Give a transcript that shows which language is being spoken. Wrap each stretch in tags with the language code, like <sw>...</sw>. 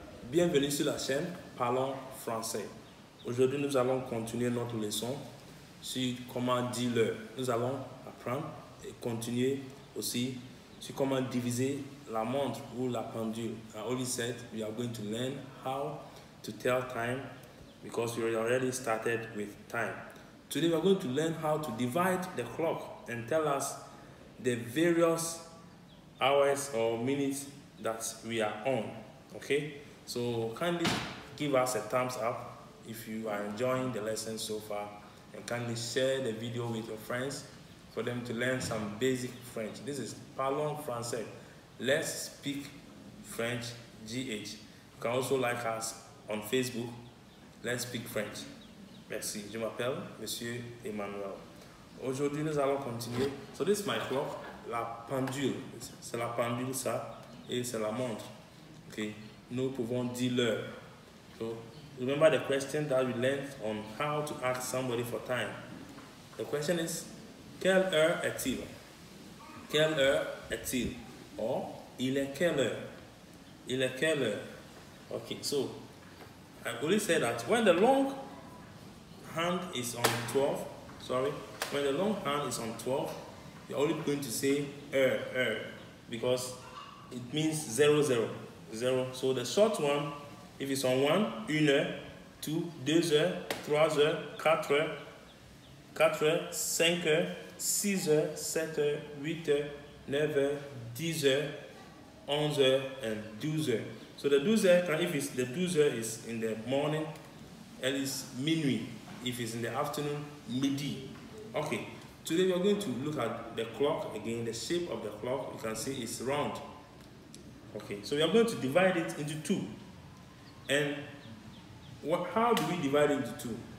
<fr>bienvenue sur la chaîne Parlons Français. Aujourd'hui, nous allons continuer notre leçon sur comment dire l'heure. Nous allons apprendre et continuer aussi sur comment diviser la montre ou la pendule.</fr> <en>And all we said, we are going to learn how to tell time because we already started with time. Today, we are going to learn how to divide the clock and tell us the various hours or minutes that we are on. Okay, so kindly give us a thumbs up if you are enjoying the lesson so far, and kindly share the video with your friends for them to learn some basic French. This is Parlons Français. Let's speak French, GH. You can also like us on Facebook. Let's speak French. Merci.</en> <fr>Je m'appelle Monsieur Emmanuel. Aujourd'hui, nous allons continuer.</fr> <en>So this is my clock,</en> <fr>la pendule. C'est la pendule ça, et c'est la montre. Okay. Nous pouvons dire l'heure.</fr> <en>So, remember the question that we learned on how to ask somebody for time. The question is,</en> <fr>quelle heure est-il? Quelle heure est-il? Or, il est quelle heure? Il est quelle heure?</fr> <en>Okay, so, I only say that when the long hand is on 12, when the long hand is on 12, you're only going to say heure, because it means 00. Zero. So the short one, if it's on one,</en> <fr>une heure, two, deux heures, trois heures, quatre heures, cinq heures, six heures, sept heures, huit heures, neuf heures, dix heures, onze heures, and douze heures.</fr> <en>So the douze heures, if it's the douze heures is in the morning, and it's minuit. If it's in the afternoon, midi. Okay, today we're going to look at the clock again, the shape of the clock. You can see it's round. Okay, so we are going to divide it into two. And how do we divide it into two?</en>